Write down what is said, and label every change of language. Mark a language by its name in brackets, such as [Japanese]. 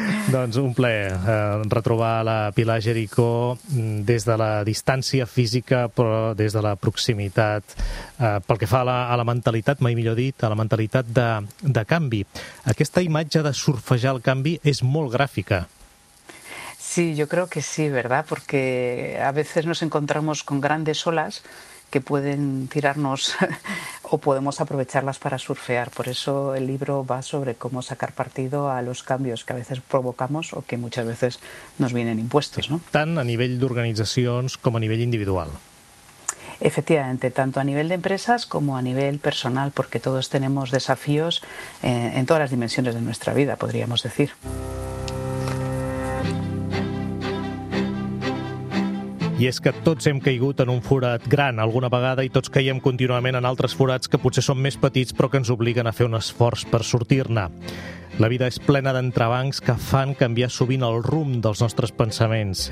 [Catalan] Doncs un plaer retrobar la Pilar Jericó des de la distància física, però des de la proximitat, pel que fa a la mentalitat, mai millor dit, a la mentalitat de canvi. Aquesta imatge de surfejar el canvi és molt gràfica. [Spanish] Sí, yo creo que sí, ¿verdad? Porque a veces nos encontramos con grandes olas que pueden tirarnos o podemos aprovecharlas para surfear. Por eso el libro va sobre cómo sacar partido a los cambios que a veces provocamos o que muchas veces nos vienen impuestos, ¿no? [Catalan] Tant a nivell d'organitzacions com a nivell individual. [Spanish] Efectivamente, tanto a nivel de empresas como a nivel personal, porque todos tenemos desafíos en todas las dimensiones de nuestra vida, podríamos decir. [Catalan] I és que tots hem caigut en un forat gran alguna vegada i tots caiem contínuament en altres forats que potser són més petits però que ens obliguen a fer un esforç per sortir-ne. La vida és plena d'entrebancs que fan canviar sovint el rumb dels nostres pensaments.